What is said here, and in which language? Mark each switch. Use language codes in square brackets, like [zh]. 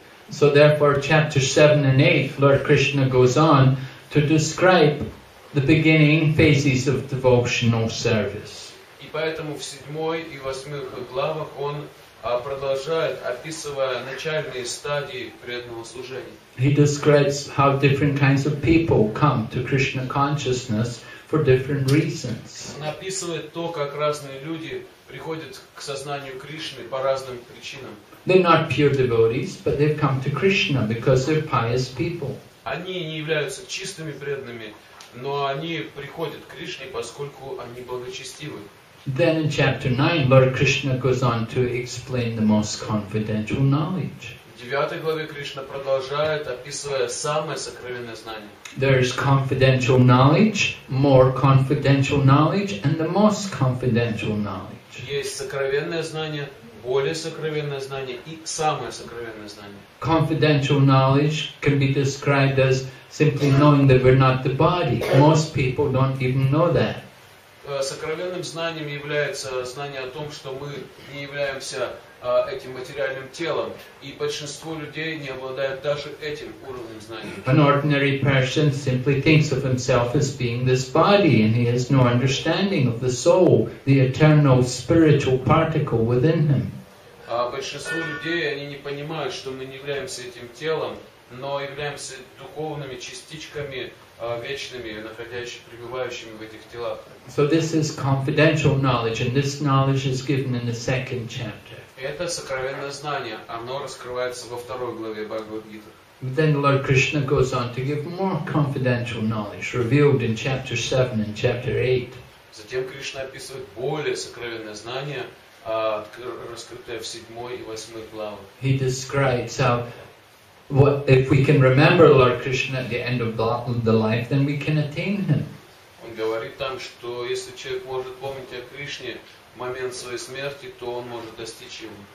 [en] So therefore, chapter 7 and 8, Lord Krishna goes on to describe the beginning phases of devotional service. [ru] И поэтому в седьмой и восьмых главах он продолжает, описывая начальные стадии преданного служения. [en] He describes how different kinds of people come to Krishna consciousness for different reasons. [ru] Он описывает то, как разные люди приходят к сознанию Кришны по разным причинам. [en] They're not pure devotees, but they've come to Krishna because they're pious people. [ru] Они не являются чистыми преданными, но они приходят к Кришне, поскольку они благочестивы. [en] Then in chapter 9, Lord Krishna goes on to explain the most confidential knowledge. [ru] В 9 главе Кришна продолжает, описывая самое сокровенное знание. [en] There is confidential knowledge, more confidential knowledge, and the most confidential knowledge. [ru] Есть сокровенное знание, более сокровенное знание и самое сокровенное знание. [en] Confidential knowledge can be described as simply knowing that we're not the body. Most people don't even know that. [ru] Сокровенным знанием является знание о том, что мы не являемся этим материальным телом, и большинство людей не обладают даже этим уровнем знания. [en] An ordinary person simply thinks of himself as being this body, and he has no understanding of the soul, the eternal spiritual particle within him. [ru] Большинство людей, они не понимают, что мы не являемся этим телом, но являемся духовными частичками, вечными, пребывающими в этих телах. [en] So this is confidential knowledge, and this knowledge is given in the second chapter. [ru] Это сокровенное знание, оно раскрывается во второй главе Бхагавад-гиты. [en] Then Lord Krishna goes on to give more confidential knowledge revealed in chapter 7 and chapter 8. [ru] Затем Кришна описывает более сокровенное знание, раскрытое в 7 и 8 главах. [en] He describes how if we can remember Lord Krishna at the end of the life, then we can attain him. [ru] Он говорит там, что если человек может помнить о Кришне в момент своей смерти, то он может достичь его.